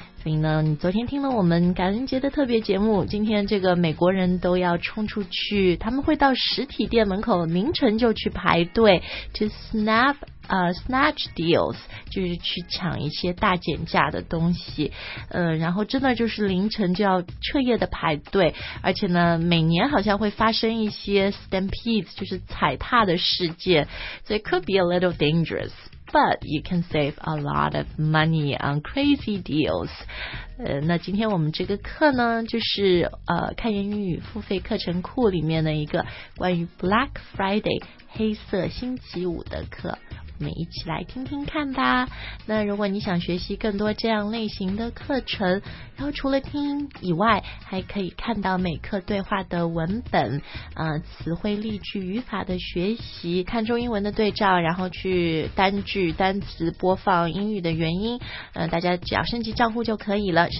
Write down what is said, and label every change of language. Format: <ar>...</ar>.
<zh>所以呢，你昨天听了我们感恩节的特别节目，今天这个美国人都要冲出去，他们会到实体店门口凌晨就去排队</zh> <en>to snatch deals，</en> <zh>就是去抢一些大减价的东西，然后真的就是凌晨就要彻夜的排队，而且呢每年好像会发生一些 stampedes， 就是踩踏的事件，所以</zh> <en>could be a little dangerous。 But you can save a lot of money on crazy deals.</en> <zh>那今天我们这个课呢，就是看英语付费课程库里面的一个关于 Black Friday 黑色星期五的课，我们一起来听听看吧。那如果你想学习更多这样类型的课程，然后除了听以外，还可以看到每课对话的文本，词汇、例句、语法的学习，看中英文的对照，然后去单句、单词播放英语的原因，大家只要升级账户就可以了。</zh>